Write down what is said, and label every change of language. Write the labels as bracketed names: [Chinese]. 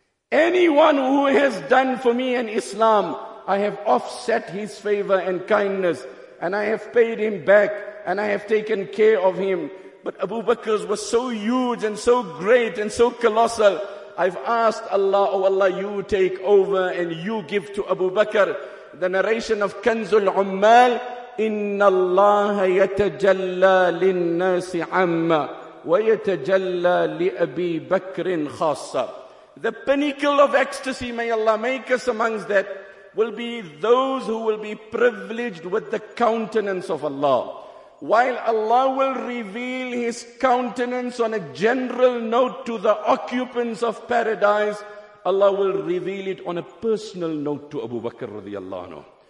[English] Anyone who has done for me in Islam, I have offset his favor and kindness. And I have paid him back. And I have taken care of him. But Abu Bakr's was so huge and so great and so colossal. I've asked Allah, oh Allah, you take over and you give to Abu Bakr. The narration of Kanzul Ummal, [Arabic] إِنَّ اللَّهَ يَتَجَلَّى لِلنَّاسِ عَمَّ وَيَتَجَلَّى لِأَبِي بَكْرٍ خَاصًا. [English] The pinnacle of ecstasy, may Allah make us amongst that, will be those who will be privileged with the countenance of Allah. While Allah will reveal His countenance on a general note to the occupants of paradise, Allah will reveal it on a personal note to Abu Bakr radiallahu anhu.